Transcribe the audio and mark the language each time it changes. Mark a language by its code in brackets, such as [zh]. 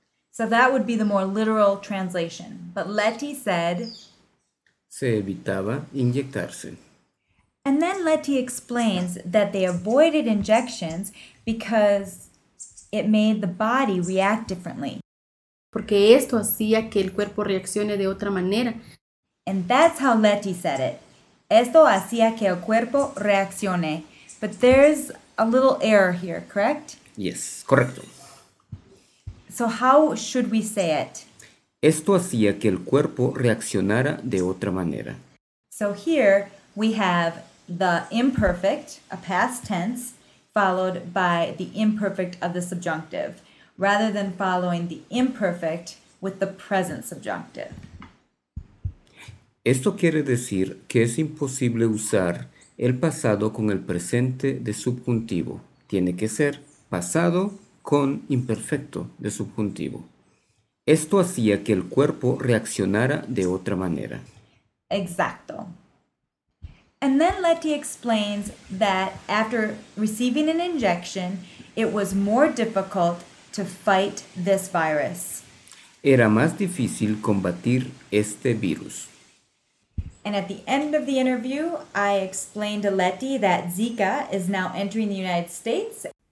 [en] So that would be the more literal translation. But Leti said, [es] se evitaba inyectarse. [en] And then Leti explains that they avoided injections because it made the body react differently. [es] Porque esto hacía que el cuerpo reaccione de otra manera. [en] And that's how Leti said it. [es] Esto hacía que el cuerpo reaccione. [en] But there's a little error here, correct? Yes, correcto. So how should we say it? [es] Esto hacía que el cuerpo reaccionara de otra manera. [en] So here we have the imperfect, a past tense, followed by the imperfect of the subjunctive, rather than following the imperfect with the present subjunctive. [es] Esto quiere decir que es imposible usar el pasado con el presente de subjuntivo. Tiene que ser pasado con imperfecto de subjuntivo. Esto hacía que el cuerpo reaccionara de otra manera. Exacto. [en] And then Leti explains that after receiving an injection, it was more difficult to fight this virus. [es] Era más difícil combatir este virus. [en] And at the end of the interview, I explained to Leti that Zika is now entering the United States.